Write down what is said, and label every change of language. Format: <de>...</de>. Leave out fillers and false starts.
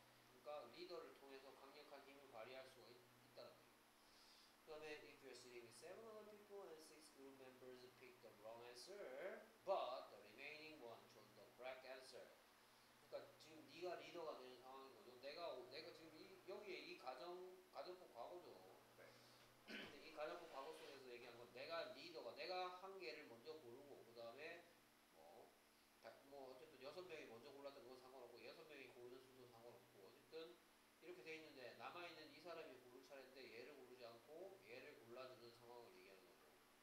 <ko>그러니까 리더를 통해서 강력한 힘을 발휘할 수가 있다는 거예요. 그다음에</ko> <en>if you're sitting with 700 people and six group members pick the wrong answer, but the remaining one chose the correct answer.</en> <ko>그러니까 지금 네가 리더가 되는 상황인 거죠. 내가 지금 여기에 이 가정법 과거죠. 이 가정법 과거 속에서 얘기한 건 내가 리더가 내가 한계를 먼저 고르고 그다음에 뭐 어쨌든 여섯 명이 먼저 골랐던 건 상관없고 여섯 명이 고르는 순서 상관없고 어쨌든 이렇게 돼 있는데 남아 있는 이 사람이 고를 차례인데 얘를 고르지 않고 얘를 골라주는 상황을 얘기하는 거죠.</ko>